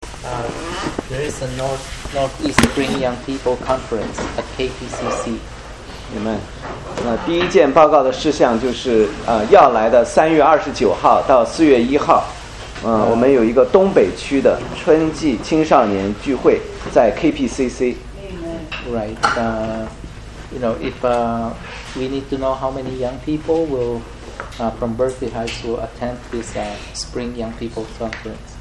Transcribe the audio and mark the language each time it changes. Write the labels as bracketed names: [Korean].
[English] There is a Northeast Green Young People Conference at KPCC. Amen. [Chinese] 那第一件报告的事项就是要来的3月29号到4月1号，我们有一个东北区的春季青少年聚会在 KPCC. [English] Right. If we need to know how many young people will from Berkeley High School attend this Spring Young People Conference.